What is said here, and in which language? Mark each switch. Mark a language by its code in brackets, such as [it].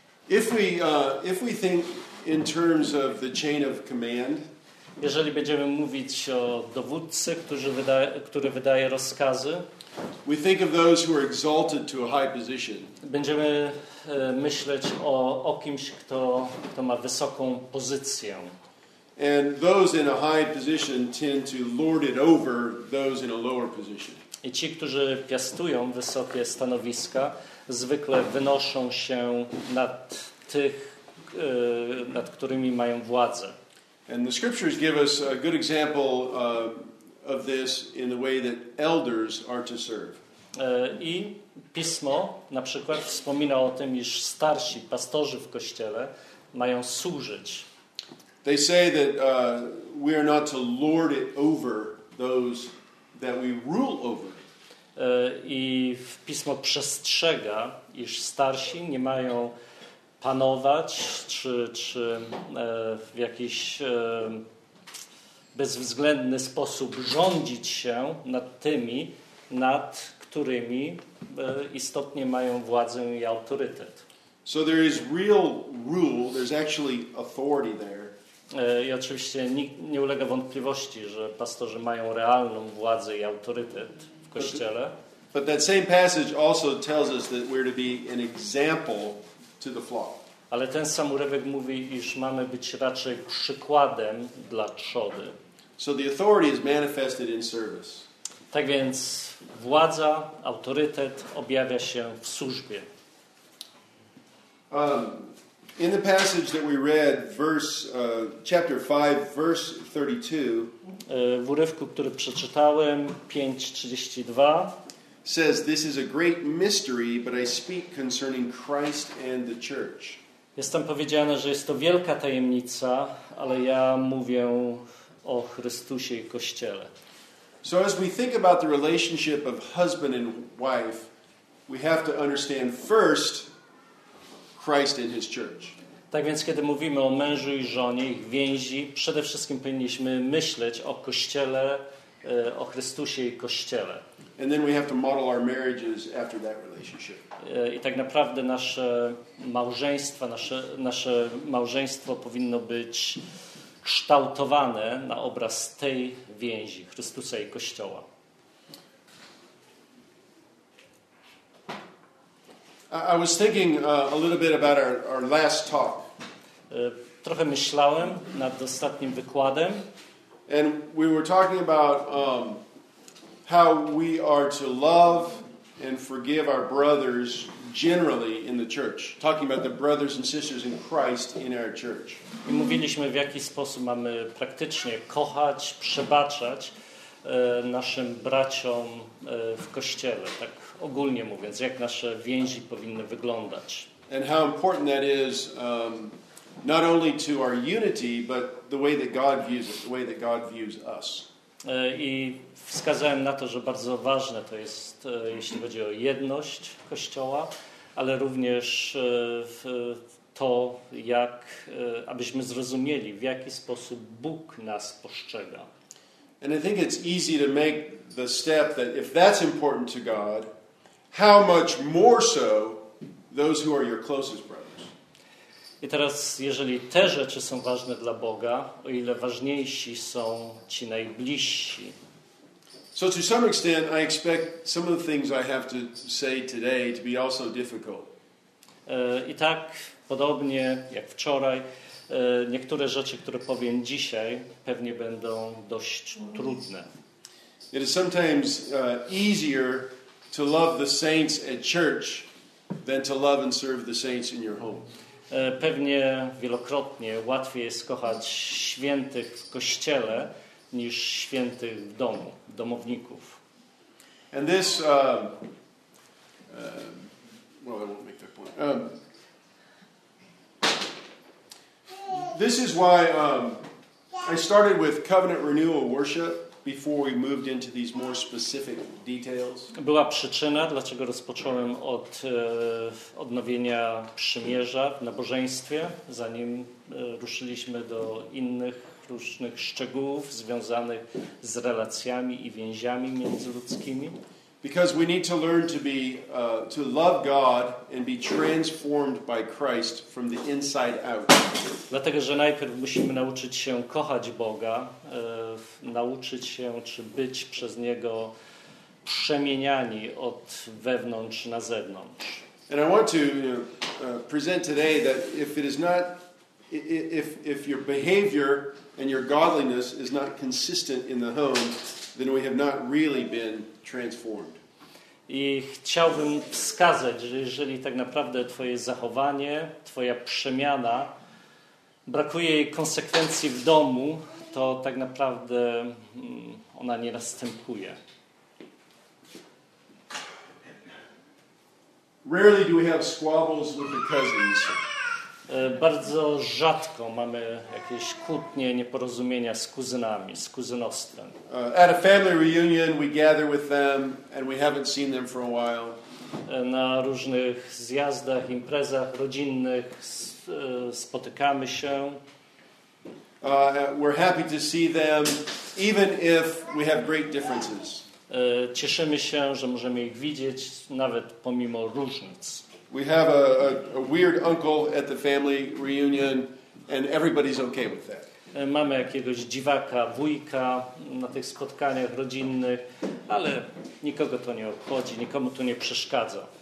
[en] If we think in terms of the chain of command, [pl] jeżeli będziemy mówić o dowódcy, który wydaje rozkazy, [en] we think of those who are exalted to a high position. [pl] Będziemy myśleć o kimś, kto ma wysoką pozycję. [en] And those in a high position tend to lord it over those in a lower position. [pl] I ci, którzy piastują wysokie stanowiska, zwykle wynoszą się nad tych, nad którymi mają władzę. [en] And the scriptures give us a good example of this in the way that elders are to serve. [pl] I Pismo na przykład wspomina o tym, iż starsi, pastorzy w kościele mają służyć. [en] They say that we are not to lord it over those that we rule over. [pl] I Pismo przestrzega, iż starsi nie mają panować czy w jakiś bezwzględny sposób rządzić się nad tymi, nad którymi istotnie mają władzę i autorytet. [en] So there is real rule, there's actually authority there. [pl] I oczywiście nikt nie ulega wątpliwości, że pastorzy mają realną władzę i autorytet w kościele. [en] But that same passage also tells us that we're to be an example to the flock. [pl] Ale ten sam urywek mówi, iż mamy być raczej przykładem dla trzody. [en] So the authority is manifested in service. [pl] Tak więc władza, autorytet objawia się w służbie. [en] In the passage that we read, chapter 5, verse 32, [pl] w urywku, który przeczytałem, 5:32, [en] says this is a great mystery, but I speak concerning Christ and the church. [pl] Jest tam powiedziane, że jest to wielka tajemnica, ale ja mówię o Chrystusie i Kościele. [en] So as we think about the relationship of husband and wife, we have to understand first Christ and his church. [pl] Tak więc, kiedy mówimy o mężu i żonie, ich więzi, przede wszystkim powinniśmy myśleć o Kościele, o Chrystusie i Kościele. [en] And then we have to model our marriages after that relationship. [pl] I tak naprawdę nasze małżeństwa, nasze małżeństwo powinno być kształtowane na obraz tej więzi Chrystusa i Kościoła. [en] I was thinking a little bit about our last talk. [pl] Trochę myślałem nad ostatnim wykładem. [en] And we were talking about how we are to love and forgive our brothers generally in the church, talking about the brothers and sisters in Christ in our church. [pl] I mówiliśmy, w jaki sposób mamy praktycznie kochać, przebaczać naszym braciom w kościele, tak ogólnie mówiąc, jak nasze więzi powinny wyglądać. [en] And how important that is not only to our unity, but the way that God views it, the way that God views us. [pl] I wskazałem na to, że bardzo ważne to jest, jeśli chodzi o jedność Kościoła, ale również to, jak, abyśmy zrozumieli, w jaki sposób Bóg nas postrzega. [en] And I think it's easy to make the step that if that's important to God, how much more so those who are your closest brothers. [pl] I teraz, jeżeli te rzeczy są ważne dla Boga, o ile ważniejsi są ci najbliżsi. [en] So to some extent I expect some of the things I have to say today to be also difficult. [pl] I tak podobnie jak wczoraj, niektóre rzeczy, które powiem dzisiaj, pewnie będą dość trudne. [en] It is sometimes easier to love the saints at church than to love and serve the saints in your home. [pl] Pewnie wielokrotnie łatwiej jest kochać świętych w kościele niż świętych w domu, domowników. [en] And this I won't make that point. This is why I started with covenant renewal worship before we moved into these more specific details. [pl] Była przyczyna, dlaczego rozpocząłem od odnowienia przymierza w nabożeństwie, zanim ruszyliśmy do innych różnych szczegółów związanych z relacjami i więziami międzyludzkimi. [en] Because we need to learn to be to love God and be transformed by Christ from the inside out. [pl] Dlatego, że najpierw musimy nauczyć się kochać Boga, nauczyć się czy być przez Niego przemieniani od wewnątrz na zewnątrz. [en] And I want to present today that if it is not if your behavior and your godliness is not consistent in the home, then we have not really been transformed. [pl] I chciałbym wskazać, że jeżeli tak naprawdę twoje zachowanie, twoja przemiana, brakuje jej konsekwencji w domu, to tak naprawdę ona nie następuje. [en] Rarely do we have squabbles with the cousins. [pl] Bardzo rzadko mamy jakieś kłótnie, nieporozumienia z kuzynami, z kuzynostwem. [en] At a family reunion we gather with them and we haven't seen them for a while. [pl] Na różnych zjazdach, imprezach rodzinnych spotykamy się. [en] We're happy to see them even if we have great differences. [pl] Cieszymy się, że możemy ich widzieć nawet pomimo różnic. [en] We have a weird uncle at the family reunion and everybody's okay with that. [pl] Mamy jakiegoś dziwaka, wujka na tych spotkaniach rodzinnych, ale nikogo to nie obchodzi, nikomu to nie przeszkadza.